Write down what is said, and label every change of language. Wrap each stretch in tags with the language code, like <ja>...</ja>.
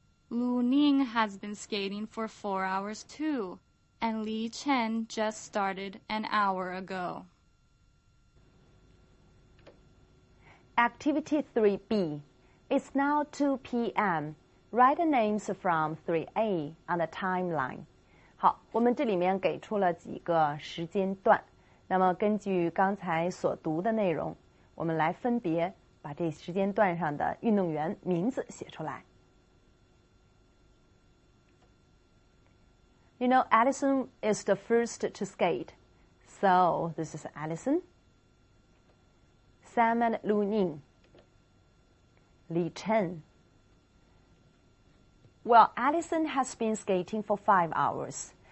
<en>Lu Ning has been skating for 4 hours too, and Li Chen just started an hour ago. Activity 3B. It's now 2 p.m. Write the names from 3A on the timeline.</en> <zh>好，我们这里面给出了几个时间段。那么根据刚才所读的内容，我们来分别把这时间段上的运动员名字写出来。</zh> <en>You know, Allison is the first to skate. So, this is Allison. Sam and Lu Ning. Li Chen. Well, Allison has been skating for 5 hours.</en>